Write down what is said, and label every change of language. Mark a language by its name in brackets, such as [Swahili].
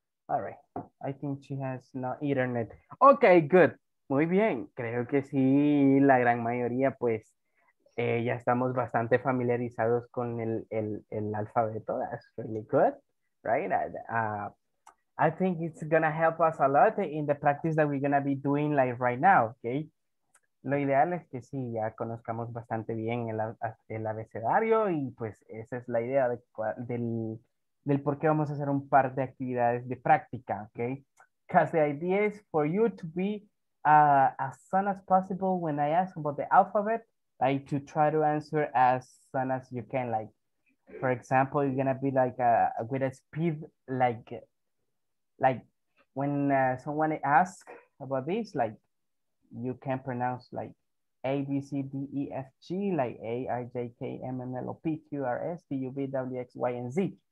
[English] All right, I think she has no internet. Okay, good. [Spanish] Muy bien. Creo que sí, la gran mayoría, pues ya estamos bastante familiarizados con el alfabeto. [English] That's really good, right? I think it's going to help us a lot in the practice that we're going to be doing like right now, okay? [Spanish] Lo ideal es que sí, ya conozcamos bastante bien el abecedario y pues esa es la idea del por qué vamos a hacer un par de actividades de práctica, okay? [English] Because the idea is for you to be as soon as possible when I ask about the alphabet, like to try to answer as soon as you can. Like, for example, you're going to be like with a speed like when someone asks about this, like you can pronounce like A, B, C, D, E, F, G, like A, I, J, K, M, N, L, O, P, Q, R, S, T, U, V, W, X, Y, and Z.